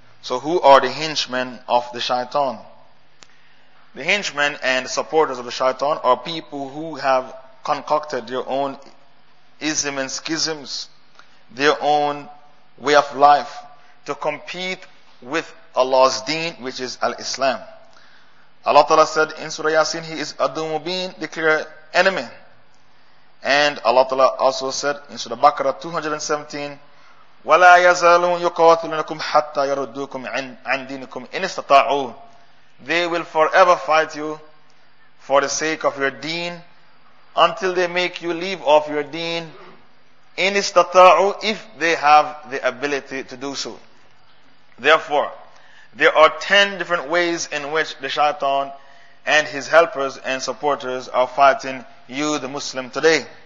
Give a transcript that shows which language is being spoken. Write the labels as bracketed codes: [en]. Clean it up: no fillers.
[en] So who are the henchmen of the shaitan? The henchmen and supporters of the shaitan are people who have concocted their own ism and schisms, their own way of life, to compete with Allah's deen, which is Al-Islam. Allah Ta'ala said in Surah Yasin, he is adu mubin, the clear enemy. And Allah Ta'ala also said in Surah Baqarah 217, [ar] وَلَا يَزَالُونَ يُقَوَاتُلُنَكُمْ حَتَّى يَرُدُّوكُمْ عَنْ دِينِكُمْ إِنِ اسْتَطَاعُوا. [en] They will forever fight you for the sake of your deen, until they make you leave off your deen, in istata'u, if they have the ability to do so. Therefore, there are 10 different ways in which the shaitan and his helpers and supporters are fighting you, the Muslim, today.